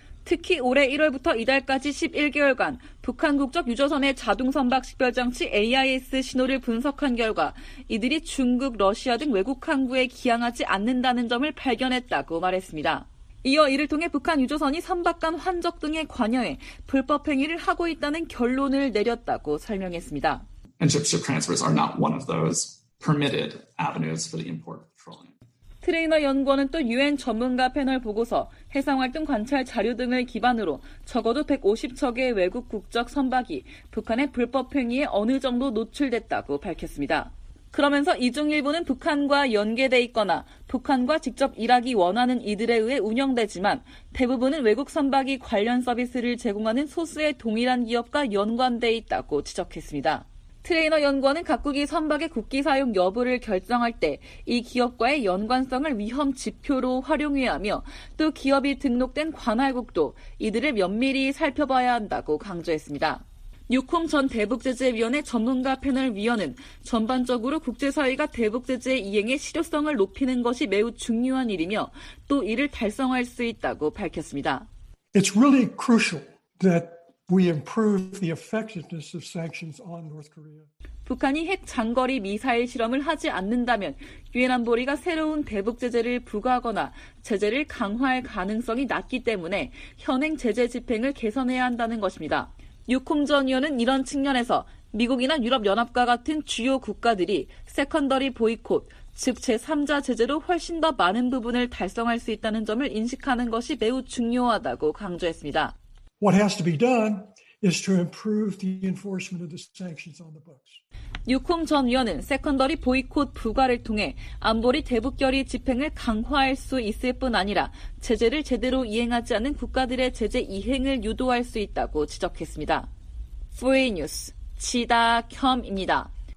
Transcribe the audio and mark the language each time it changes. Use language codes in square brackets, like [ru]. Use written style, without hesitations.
[ko] 특히 올해 1월부터 이달까지 11개월간 북한 국적 유조선의 자동선박 식별장치 AIS 신호를 분석한 결과 이들이 중국, 러시아 등 외국 항구에 기항하지 않는다는 점을 발견했다고 말했습니다. 이어 이를 통해 북한 유조선이 선박 간 환적 등에 관여해 불법 행위를 하고 있다는 결론을 내렸다고 설명했습니다. [en] And ship transfers are not one of those permitted avenues for the import of petroleum. [ko] 트레이너 연구원은 또 UN 전문가 패널 보고서, 해상활동 관찰 자료 등을 기반으로 적어도 150척의 외국 국적 선박이 북한의 불법 행위에 어느 정도 노출됐다고 밝혔습니다. 그러면서 이 중 일부는 북한과 연계돼 있거나 북한과 직접 일하기 원하는 이들에 의해 운영되지만 대부분은 외국 선박이 관련 서비스를 제공하는 소수의 동일한 기업과 연관돼 있다고 지적했습니다. 트레이너 연구원은 각국이 선박의 국기 사용 여부를 결정할 때 이 기업과의 연관성을 위험 지표로 활용해야 하며 또 기업이 등록된 관할국도 이들을 면밀히 살펴봐야 한다고 강조했습니다. 뉴콤 전 대북제재위원회 전문가 패널 위원은 전반적으로 국제사회가 대북제재 이행의 실효성을 높이는 것이 매우 중요한 일이며 또 이를 달성할 수 있다고 밝혔습니다. [en] It's really crucial that we improve the effectiveness of sanctions on North Korea. [ko] 북한이 핵 장거리 미사일 실험을 하지 않는다면 유엔 안보리가 새로운 대북 제재를 부과하거나 제재를 강화할 가능성이 낮기 때문에 현행 제재 집행을 개선해야 한다는 것입니다. 유콤 전 의원은 이런 측면에서 미국이나 유럽연합과 같은 주요 국가들이 세컨더리 보이콧, 즉 제3자 제재로 훨씬 더 많은 부분을 달성할 수 있다는 점을 인식하는 것이 매우 중요하다고 강조했습니다. [en] What has to be done is to improve the enforcement of the sanctions on the books. [ko] 유콤 전 의원은 세컨더리 보이콧 부과를 통해 안보리 대북결의 집행을 강화할 수 있을 뿐 아니라 제재를 제대로 이행하지 않은 국가들의 제재 이행을 유도할 수 있다고 지적했습니다. 4A 뉴스 지다겸입니다.